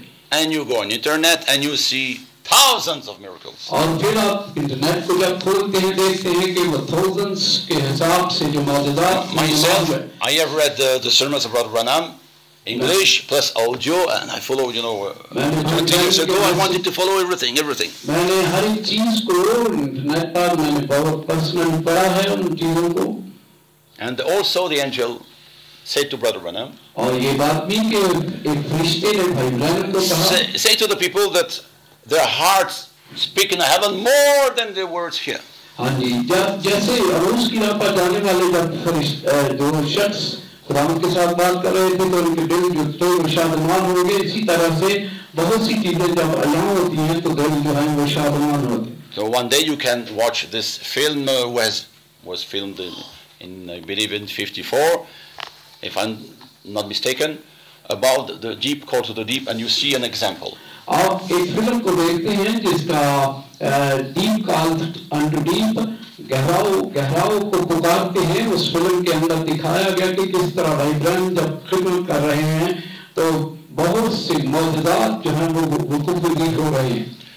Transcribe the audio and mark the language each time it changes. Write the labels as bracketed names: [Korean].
[English] And you go on the internet and you see thousands of miracles. [Hindi] और फिर आप internet को जब खोलते हैं देखते हैं कि वो thousands के हिसाब से जो मौजूदात [English] myself I have read the sermons of Brother Branham English plus audio and I followed you know 20 years ago I wanted to follow everything. [Hindi] मैंने हर एक चीज को इंटरनेट पर मैंने बहुत पर्सनल पढ़ा है उन चीजों को. [English] And also the angel said to Brother Branham. [Hindi] और ये बात भी कि एक फरिश्ते ने भाई ब्रैनम को कहा. [English] Say to the people that their hearts speak in heaven more than their words here. [Hindi] हाँ जी, जब जैसे अरूस की राह पर जाने वाले जब दो शख्स खुदा के साथ बात कर रहे थे तो उनके दिल जो तो शादमान हो गए. इसी तरह से बहुत सी चीजें जब अलग होती हैं तो दिल जो है वो शादमान होते हैं. [English] So one day you can watch this film was filmed in I believe in 54 if I'm not mistaken about the deep call to the deep and you see an example. [Hindi] आप एक फिल्म को देखते हैं जिसका deep call unto deep गहराव को पुकारते हैं। उस फिल्म के अंदर दिखाया गया कि किस तरह भाई ब्रह जब खिदमत कर रहे हैं तो बहुत से मौजदात जो है वो हुकूमत हो रहे हैं।